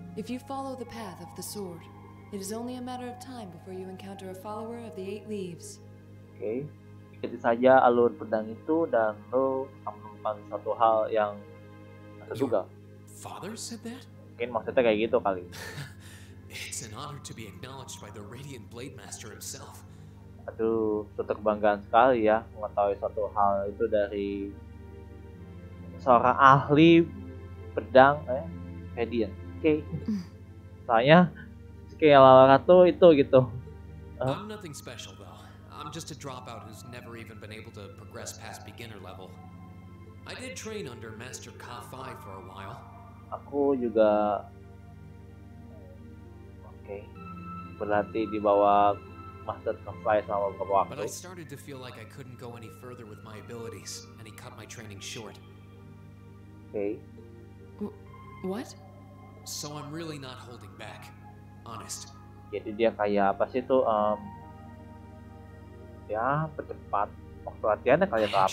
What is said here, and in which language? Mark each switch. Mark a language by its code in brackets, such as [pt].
[en] If you follow the path of the sword, it is only a matter of time before you encounter a follower of the eight leaves. [id] Oke, ikuti saja alur pedang itu dan lo akan menemukan satu hal yang terduga. [en] Father said that? [id] Mungkin maksudnya kayak gitu kali. [en] It's an honor to be acknowledged by the Radiant Blade Master himself. [id] Aduh, suatu kebanggaan sekali ya mengetahui satu hal itu dari seorang ahli pedang, Radiant. Okay. Soalnya kayak Lara tuh itu gitu. [en] I'm nothing special though. I'm just a dropout who's never even been able to progress past beginner level. I did train under Master Ka-Fi for a while. [id] Aku juga berlatih di bawah Master Ka-Fi selama beberapa waktu. [en] But I started to feel like I couldn't go any further with my abilities, and he cut my training short. Okay. What? So I'm really not holding back. Honest. [id] Jadi dia kayak apa sih tuh ya, percepat waktu latihannya kayak apa lah. I